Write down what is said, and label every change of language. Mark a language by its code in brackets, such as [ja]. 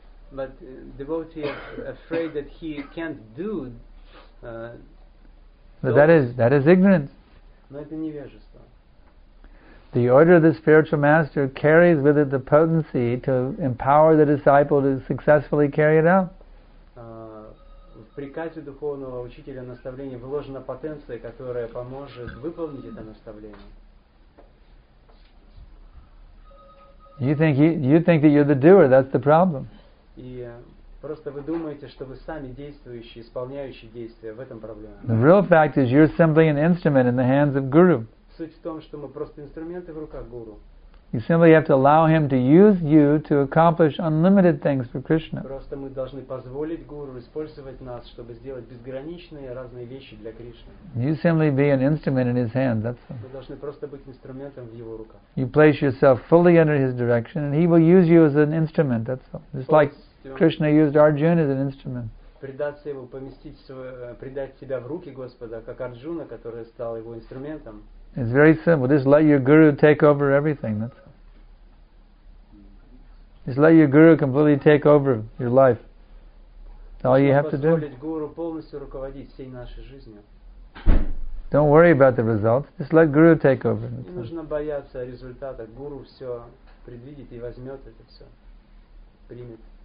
[en] But devotee afraid that he can't do... But that is ignorance. [ru] Но это невежество. [en] The order of the spiritual master carries with it the potency to empower the disciple to successfully carry it out. [ru] В приказе духовного учителя наставления вложена потенция, которая поможет выполнить это наставление. [en] You think that you're the doer, that's the problem. [ru] И просто вы думаете, что вы сами действующие, исполняющие действия, в этом проблема. [en] The real fact is you're simply an instrument in the hands of guru. [ru] Суть в том, что мы просто инструменты в руках гуру. [en] You simply have to allow him to use you to accomplish unlimited things for Krishna. [ru] Просто мы должны позволить гуру использовать нас, чтобы сделать безграничные разные вещи для Кришны. [en] You simply be an instrument in his hand, that's all. [ru] Вы должны просто быть инструментом в его руках. [en] You place yourself fully under his direction and he will use you as an instrument, that's all. Just like Krishna used Arjuna as an instrument. [ru] Предаться ему, поместить свой, предать себя в руки Господа, как Арджуна, который стал его инструментом. [en] It's very simple. Just let your guru take over everything. That's all. Just let your guru completely take over your life. That's all you have to do. [ru] Guru полностью руководить всей нашей жизнью. [en] Don't worry about the results. Just let guru take over. [ru] Не нужно бояться результата. Гуру все предвидит и возьмет это все, примет.